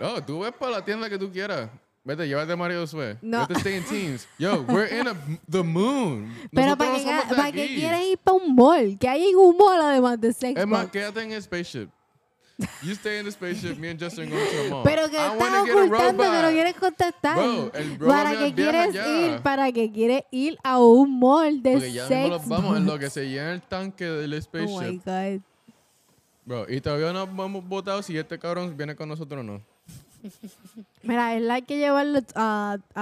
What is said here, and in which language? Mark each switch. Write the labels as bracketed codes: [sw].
[es] Oh, tú ves para la tienda que tú quieras. Vete, llévate a Mario Josué. No. Vete, [en] stay in teams. Yo, we're in the moon. [es] Pero ¿para qué quieres ir para un mall? ¿Qué hay en un mall además de sex bots? Es más, quédate en el spaceship. [en] You stay in the spaceship, me and Justin go to the mall. [es] Pero que estás ocultando, pero quieres contestar. Bro, ¿para qué quieres allá. Ir? ¿Para qué quieres ir a un mall de sex? Lo, vamos en lo que se llena el tanque del spaceship. [en] Oh my god. [es] Bro, y todavía no hemos votado si este cabrón viene con nosotros o no. Mira, él hay que llevarlo a.